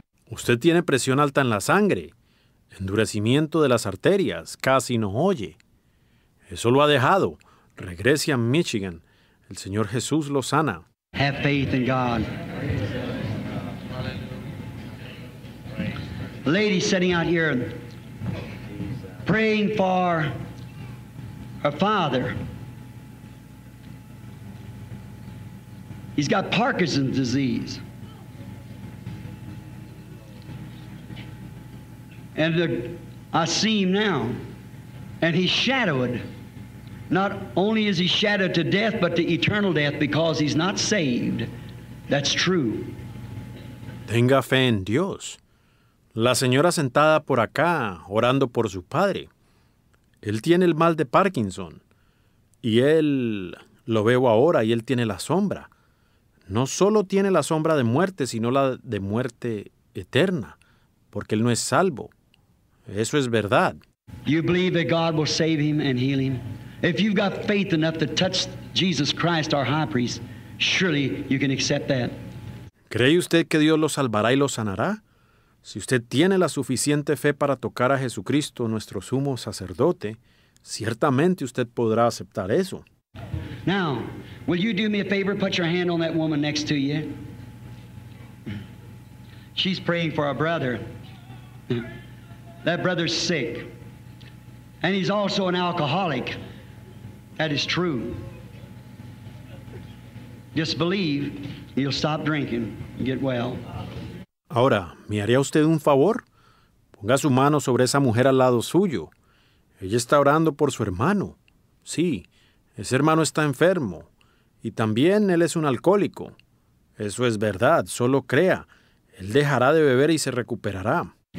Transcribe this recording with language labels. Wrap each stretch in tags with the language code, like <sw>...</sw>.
<es>Usted tiene presión alta en la sangre. Endurecimiento de las arterias, casi no oye. Eso lo ha dejado. Regrese a Michigan. El Señor Jesús lo sana.</es> <en>Have faith in God. Lady sitting out here praying for her father. He's got Parkinson's disease. And I see him now, and he's shadowed. Not only is he shadowed to death, but to eternal death, because he's not saved. That's true.</en> <es>Tenga fe en Dios. La señora sentada por acá, orando por su padre. Él tiene el mal de Parkinson. Y él lo veo ahora, y él tiene la sombra. No solo tiene la sombra de muerte, sino la de muerte eterna, porque él no es salvo. Eso es verdad.</es> <en>You believe that God will save him and heal him? If you've got faith enough to touch Jesus Christ, our high priest, surely you can accept that.</en> <es>¿Cree usted que Dios lo salvará y lo sanará? Si usted tiene la suficiente fe para tocar a Jesucristo, nuestro sumo sacerdote, ciertamente usted podrá aceptar eso.</es> <en>Now, will you do me a favor, put your hand on that woman next to you? She's praying for our brother. That brother's sick. And he's also an alcoholic. That is true. Just believe, you'll stop drinking and get well.</en> <es>Ahora, ¿me haría usted un favor? Ponga su mano sobre esa mujer al lado suyo. Ella está orando por su hermano. Sí, ese hermano está enfermo. Y también él es un alcohólico. Eso es verdad, solo crea. Él dejará de beber y se recuperará.</es>